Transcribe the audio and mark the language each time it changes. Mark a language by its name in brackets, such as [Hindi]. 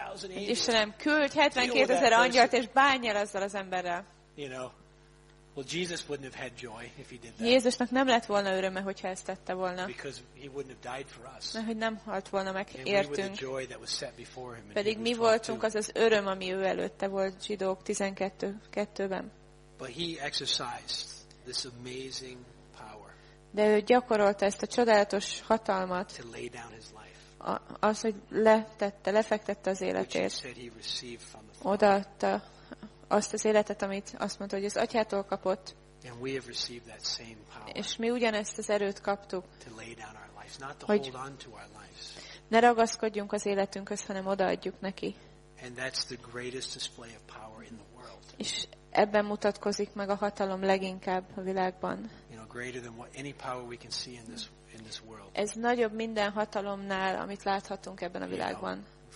[Hungarian] Istenem, küld 72,000 angyalt, és bánj el azzal az emberrel. [English] Well, Jesus wouldn't have had joy if he did that. [Hungarian] Jézusnak nem lett volna öröme, hogyha ezt tette volna. [English] Because he wouldn't have died for us. [Hungarian] Mert hogy nem halt volna meg értünk. [English] And we were the joy that was set before him. [Hungarian] Pedig mi voltunk az az öröm, ami ő előtte volt, Zsidók 12:2-ben. [English] But he exercised this amazing power. [Hungarian] De ő gyakorolta ezt a csodálatos hatalmat. [English] To lay down his life. [Hungarian] Az, hogy lefektette az életét. [English] Which he said he received from the Father. [Hungarian] Odaadta azt az életet, amit azt mondta, hogy az Atyától kapott. [English] And we have received that same power. [Hungarian] És mi ugyanezt az erőt kaptuk. [English] To lay down our lives, not to hold on to our lives. [Hungarian] Ne ragaszkodjunk az életünkhöz, hanem odaadjuk neki. [English] And that's the greatest display of power in the world. [Hungarian] És ebben mutatkozik meg a hatalom leginkább a világban. [English] You know, greater than what any power we can see in this world. [Hungarian] Ez nagyobb minden hatalomnál, amit láthatunk ebben a világban.